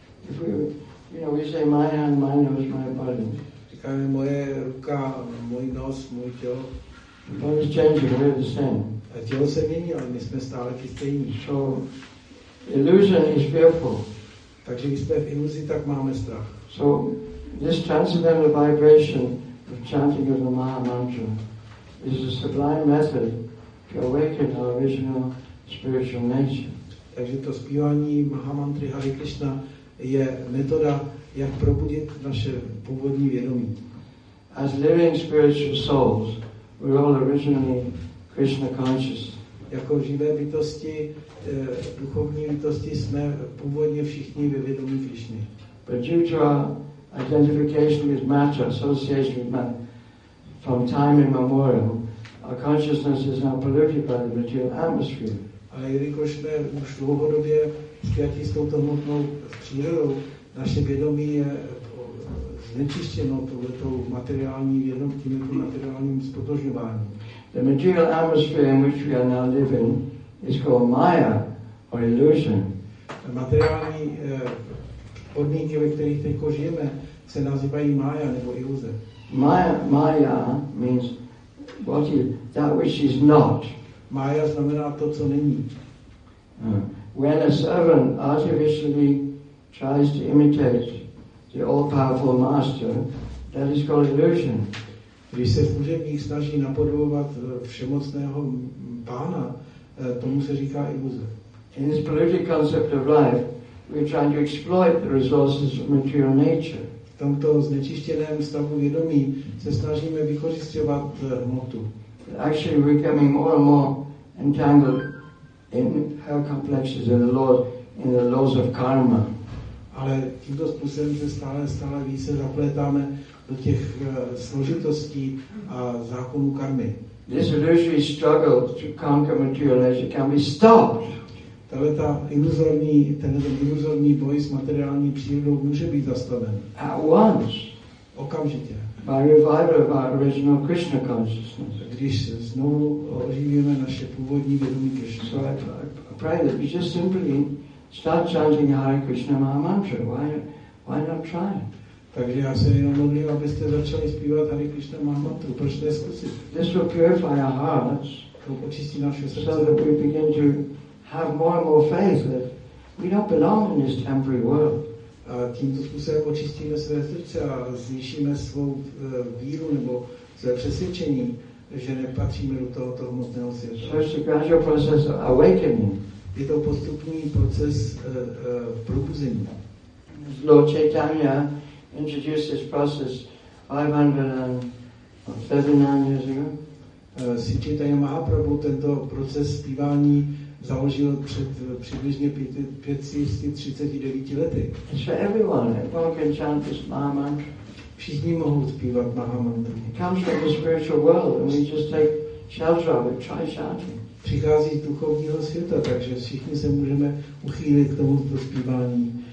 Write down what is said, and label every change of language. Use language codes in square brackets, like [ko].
[en] If we say my hand, my nose, my body. [cs] Říkáme moje ruka, můj nos, můj tělo. [en] The body is changing, we're the same. [cs] A tělo se mění, ale my jsme stále ti stejní. [en] So, illusion is fearful. [cs] Takže když jsme v iluzi, tak máme strach. [en] So, this transcendental vibration of chanting of the Maha Mantra is a sublime method to awaken our original spiritual nature. [cs] Takže to zpívání Maha Mantry Hare Krishna je metoda, jak probudit naše původní vědomí. [en] As living spiritual souls, we're all originally Krishna conscious. [cs] Jako živé bytosti, duchovní bytosti, jsme původně všichni ve vědomí Krišny. [en] But due to our identification with matter, association with matter, from time immemorial, our consciousness is now polluted by the material atmosphere. [cs] A jelikož jsme už dlouhodobě spjatí s touto hmotnou přírodou, naše vědomí je znečištěno tohletou materiální vědom, tímto materiálním spotožňováním. [en] The material atmosphere in which we are now living is called Maya or illusion. [cs] Materiální podmínky, ve kterých teď žijeme, se nazývají Maya nebo iluze. [en] Maya means what is that which is not. [cs] Maya znamená to, co není. [en] When a servant artificially tries to imitate the all-powerful master, that is called illusion. [cs] Když se služebník snaží napodobovat všemocného pána, tomu se říká iluze. [en] In this polluted concept of life, we're trying to exploit the resources of material nature. [cs] V tomto znečištěném stavu vědomí se snažíme vykořisťovat hmotu. [en] Actually, we're becoming more and more entangled in her complexes and the laws, in the laws of karma. [cs] Ale tímto způsobem se stále více zapletáme do těch složitostí a zákonů karmy. [en] This illusory struggle to conquer material nature can be stopped. [cs] Tady ta iluzorní, tenhle iluzorní boj s materiální přírodou může být zastaven. [en] At once. [cs] Okamžitě. [en] by revival of our original Krishna consciousness. [cs] Když se znovu oživíme naše původní vědomí Krishna. [en] So I pray that we just simply start chanting Hare Krishna Mahamantra. Why not try it? [cs] Takže já se jenom modlím, abyste začali zpívat Hare Krishna Mahamantru. Proč to zkusit? [en] This will purify our hearts. [cs] To očistí naše srdce. [en] So that we begin to have more and more faith that we don't belong in this temporary world. [cs] A tímto způsobem očistíme své srdce a zvýšíme svou víru nebo své přesvědčení, že nepatříme do tohoto hmotného světa. [en] So it's a gradual process of awakening. [cs] Je to postupný proces probuzení. [en] Lord Chaitanya introduced this process 539 years ago. [cs] Sri Chaitanya Mahaprabhu tento proces zpívání založil před přibližně 539 lety. [en] It's for everyone. Everyone can chant this mahamantra. [cs] Všichni mohou zpívat mahamantru. [en] It comes from the spiritual world and we just take shelter of it. Try chanting. [cs] Přichází z duchovního světa, takže všichni se můžeme uchýlit k tomu zpívání.